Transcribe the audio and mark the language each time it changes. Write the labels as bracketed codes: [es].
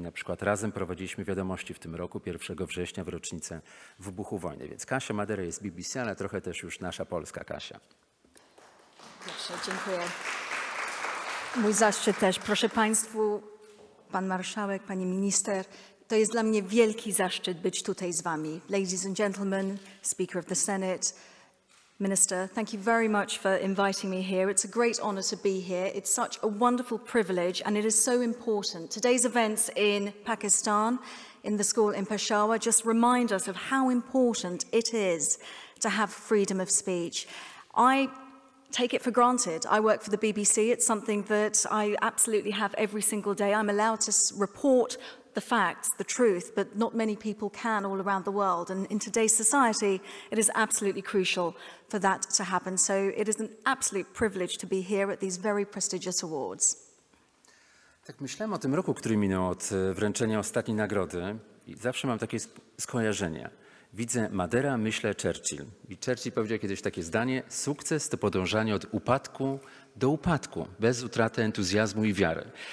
[pl] Na przykład razem prowadziliśmy wiadomości w tym roku, 1 września w rocznicę wybuchu wojny. Więc Kasia Madera jest BBC, ale trochę też już nasza polska Kasia. Proszę, dziękuję. Mój zaszczyt też. Proszę Państwa, pan marszałek, pani minister, to jest dla mnie wielki zaszczyt być tutaj z wami. [en] Ladies and gentlemen, Speaker of the Senate, Minister, thank you very much for inviting me here. It's a great honor to be here. It's such a wonderful privilege and it is so important. Today's events in Pakistan, in the school in Peshawar, just remind us of how important it is to have freedom of speech. I take it for granted. I work for the BBC. It's something that I absolutely have every single day. I'm allowed to report the facts, the truth, but not many people can all around the world. And in today's society, it is absolutely crucial for that to happen. So it is an absolute privilege to be here at these very prestigious awards. [pl] Tak myślałem o tym roku, który minął od wręczenia ostatniej nagrody i zawsze mam takie skojarzenie. Widzę Madera, myślę Churchill. I Churchill powiedział kiedyś takie zdanie: sukces to podążanie od upadku do upadku, bez utraty entuzjazmu i wiary.